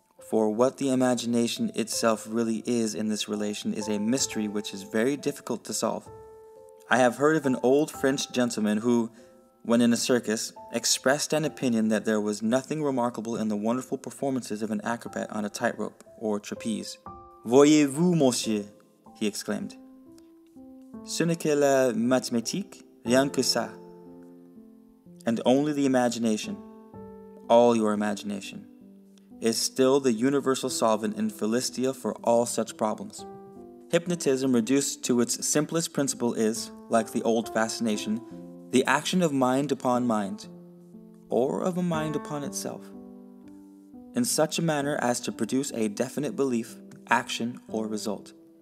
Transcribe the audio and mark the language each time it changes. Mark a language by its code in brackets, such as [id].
[en] For what the imagination itself really is in this relation is a mystery which is very difficult to solve. I have heard of an old French gentleman who, when in a circus, expressed an opinion that there was nothing remarkable in the wonderful performances of an acrobat on a tightrope or trapeze. [fr] "Voyez-vous, monsieur," he exclaimed. "Ce n'est que la mathématique, rien que ça." [en] And only the imagination, all your imagination, is still the universal solvent in Philistia for all such problems. Hypnotism, reduced to its simplest principle, is, like the old fascination, the action of mind upon mind, or of a mind upon itself, in such a manner as to produce a definite belief, action, or result.